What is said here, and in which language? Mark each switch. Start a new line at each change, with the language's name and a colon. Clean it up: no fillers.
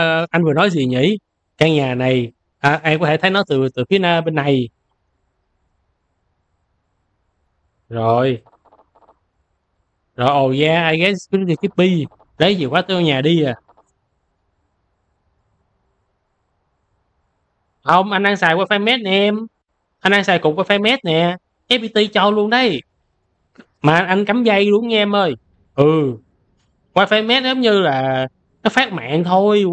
Vietnamese: Anh vừa nói gì nhỉ? Căn nhà này, em có thể thấy nó từ từ phía bên này. Rồi,
English: oh yeah, I guess it's pretty creepy.
Vietnamese: Lấy chìa khóa tới nhà đi à. Không, anh đang xài wifi mesh nè em. Anh đang xài cục wifi mesh nè. FPT cho luôn đây. Mà anh cắm dây luôn nha em ơi. Ừ, wifi mesh giống như là nó phát mạng thôi.